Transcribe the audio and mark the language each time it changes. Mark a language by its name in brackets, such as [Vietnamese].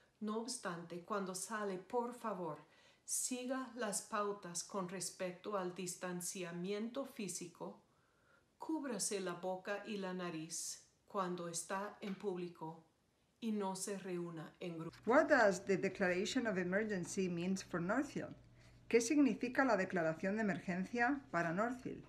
[Spanish] No obstante, cuando sale, por favor, siga las pautas con respecto al distanciamiento físico. Cúbrase la boca y la nariz cuando está en público y no se reúna en grupo. [English] What does the declaration of emergency mean for Northfield? [Spanish] ¿Qué significa la declaración de emergencia para Northfield?